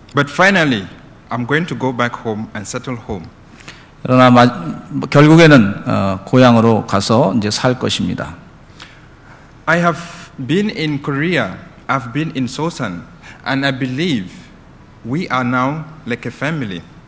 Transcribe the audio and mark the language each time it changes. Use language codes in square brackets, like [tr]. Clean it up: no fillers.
[en] But finally, I'm going to go back home and settle home. [ko] 그러나 결국에는 고향으로 가서 이제 살 것입니다. [en] I have been in Korea. I've been in Sosan, and I believe we are now like a family.